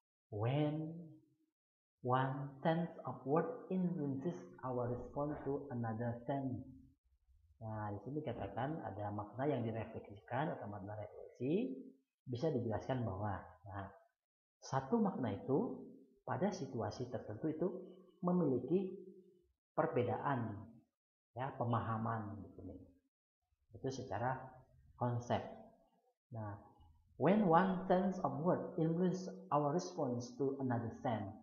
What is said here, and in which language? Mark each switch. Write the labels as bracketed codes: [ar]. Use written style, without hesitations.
[en] When one sense of word influences our response to another sense. [id] Nah, di sini dikatakan ada makna yang direfleksikan atau makna refleksi bisa dijelaskan bahwa, nah, satu makna itu pada situasi tertentu itu memiliki perbedaan, ya, pemahaman gitu nih. Itu secara konsep. [en] Nah, when one sense of word influences our response to another sense.